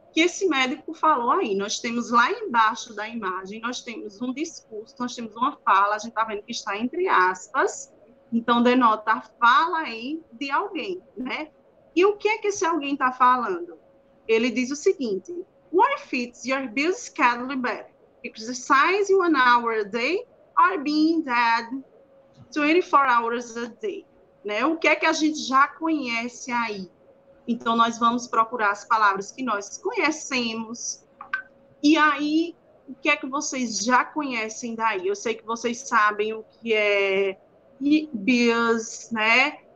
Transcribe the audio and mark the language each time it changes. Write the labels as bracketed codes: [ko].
[pt] que esse médico falou aí. Nós temos lá embaixo da imagem, nós temos um discurso, nós temos uma fala, a gente está vendo que está entre aspas, então denota a fala aí de alguém, né? E o que é que esse alguém está falando? Ele diz o seguinte: [en] what fits your busy schedule better? Exercising 1 hour a day or being dead 24 hours a day? [pt] Né? O que é que a gente já conhece aí? Então, nós vamos procurar as palavras que nós conhecemos. E aí, o que é que vocês já conhecem daí? Eu sei que vocês sabem o que é busy, né?